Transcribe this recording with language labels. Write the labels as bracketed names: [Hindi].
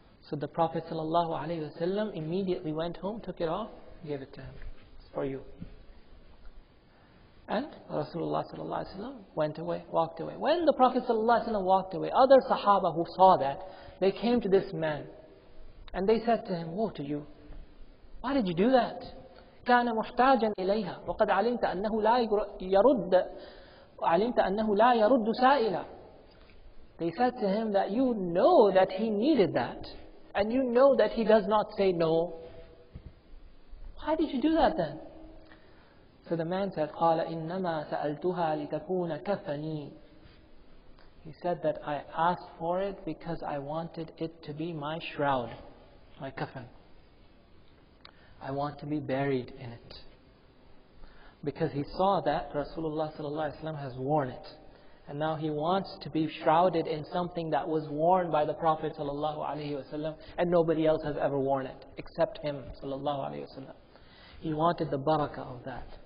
[English] So the Prophet ﷺ immediately went home, took it off, gave it to him. It's for you. And Rasulullah ﷺ went away, walked away. When the Prophet ﷺ walked away, other Sahaba who saw that, they came to this man. And they said to him, woe to you. Why did you do that? [Arabic] كان محتاجا إليها وقد علمت أنه لا يرد علمت أنه لا يرد سائلا. [English] They said to him that you know that he needed that and you know that he does not say no. Why did you do that then? So the man said, [Arabic] قال إنما سألتها لتكون كفني. [English] He said that I asked for it because I wanted it to be my shroud, my kafan. I want to be buried in it. Because he saw that Rasulullah ﷺ has worn it. And now he wants to be shrouded in something that was worn by the Prophet ﷺ, and nobody else has ever worn it except him ﷺ. He wanted the barakah of that.